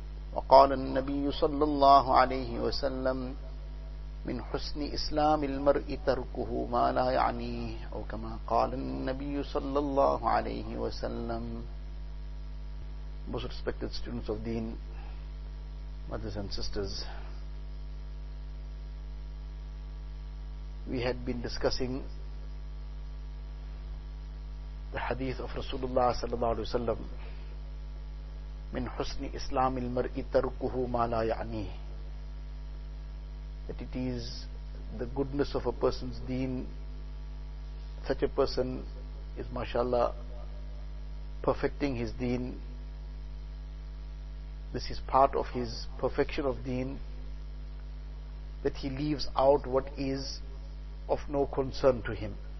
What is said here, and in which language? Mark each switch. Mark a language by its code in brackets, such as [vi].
[ar] Wa qala an-nabiy sallallahu alayhi wa sallam من حسن إسلام المرء تركه ما لا يعنيه أو كما قال النبي صلى الله عليه وسلم. [en] Most respected students of Deen, mothers and sisters, we had been discussing the hadith of Rasulullah [ar] صلى الله عليه وسلم. من حسن إسلام المرء تركه ما لا يعنيه. [en] That it is the goodness of a person's deen, such a person is, mashallah, perfecting his deen. This is part of his perfection of deen, that he leaves out what is of no concern to him.